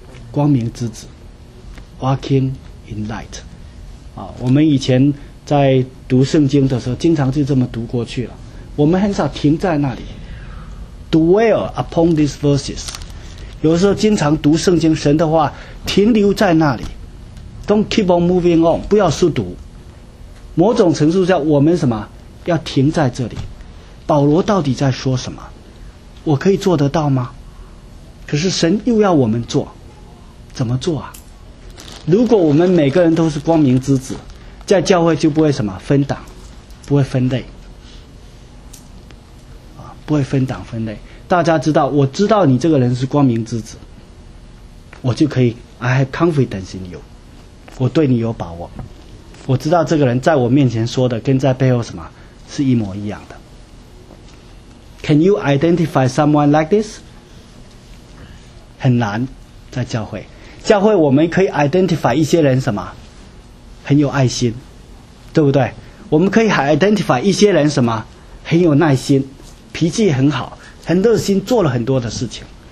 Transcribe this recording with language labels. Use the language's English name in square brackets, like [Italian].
[Chinese] 光明之子 [English] walking in light [Chinese] 啊，我们以前在读圣经的时候经常就这么读过去了，我们很少停在那里 [English] dwell upon these verses。 [Chinese] 有时候经常读圣经神的话停留在那里， [English] Don't keep on moving on， [Chinese] 不要速读。某种程度上，我们什么要停在这里？保罗到底在说什么？我可以做得到吗？可是神又要我们做，怎么做啊？如果我们每个人都是光明之子，在教会就不会什么分党，不会分类，不会分党分类。大家知道，我知道你这个人是光明之子，我就可以 [English] I have confidence in you， [Chinese] 我对你有把握，我知道这个人在我面前说的跟在背后什么是一模一样的。 [English] Can you identify someone like this？ [Chinese] 很难。在教会，教会我们可以 identify 一些人什么很有爱心，对不对？我们可以 identify 一些人什么很有耐心，脾气很好，很热心，做了很多的事情。